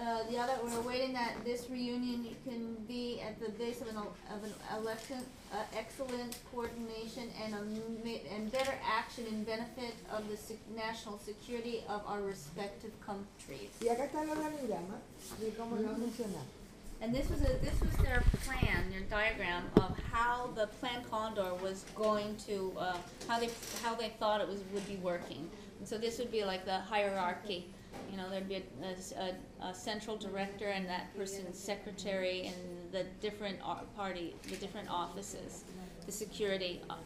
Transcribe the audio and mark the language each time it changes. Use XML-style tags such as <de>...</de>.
<en>The other, we're waiting that this reunion can be at the base of an election, excellent coordination and better action in benefit of the national security of our respective countries.</en> <es>Y acá está el organigrama de cómo lo funciona.</es> <en>And this was their plan, their diagram of how the Plan Condor was going to how they thought it was would be working. And so this would be like the hierarchy. You know, there'd be a central director and that person's secretary and the different party, the different offices, the security.</en>